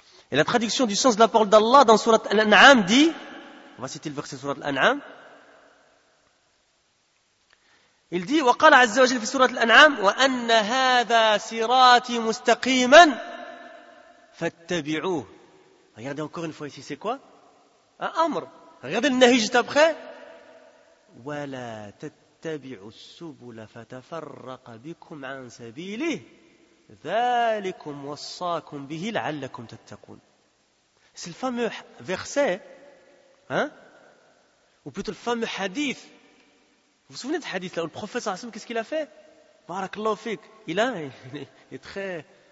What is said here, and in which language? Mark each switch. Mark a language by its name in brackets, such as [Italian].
[French] Et la traduction du sens de la parole d'Allah dans Surat Al-An'am dit, on va citer le verset Surat Al-An'am, il dit, [Arabic] وقال عز وجل في سورة الأنعام وأن هذا صراطي مستقيما فاتبعوه. [French] Regardez encore une fois ici, c'est quoi? Un amr. Regardez le nahi juste après. [Arabic] ولا تتبعوا السبل فتفرق بكم عن سبيله ذلكم وصاكم به لعلكم تتقون. [French] C'est le fameux verset, hein? Ou plutôt le fameux hadith. Vous vous souvenez de ce hadith là où le prophète, qu'est-ce qu'il a fait? Barakallahu fik. Il est très.